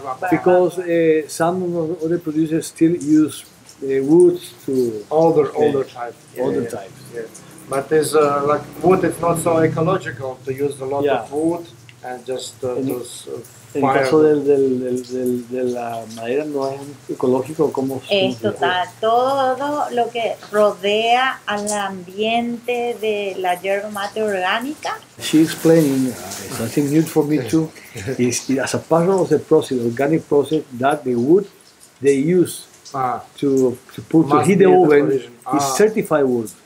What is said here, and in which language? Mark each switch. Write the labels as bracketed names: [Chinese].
[English] Because some other producers still use woods to older types. But there's like wood is not so ecological to use a lot of wood and just those. [Spanish] En caso de la madera no es ecológico como es total todo lo que rodea al ambiente de la yerba mate orgánica. [English] She explained something new for me too. Is as a part of the process, organic process, that the wood they use to put to heat the oven is certified wood.